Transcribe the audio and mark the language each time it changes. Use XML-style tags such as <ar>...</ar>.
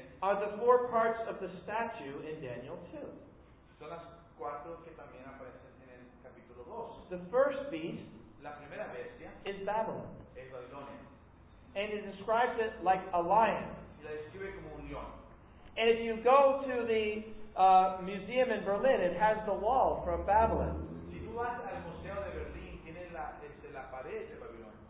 <en>are the four parts of the statue in Daniel 2.</en> <es>Son las cuatro que también aparecen en el capítulo 2.</es> <en>The first beast,</en> <es>la primera bestia,</es> <en>is Babylon.</en> <es>Es Babilonia.</es> <en>And it describes it like a lion.</en> <es>Y la describe como un león.</es> <en>And if you go to the museum in Berlin, it has the wall from Babylon.</en> <es>Si tú vas al Museo de Berlín, tiene la pared de Babilonia.</es>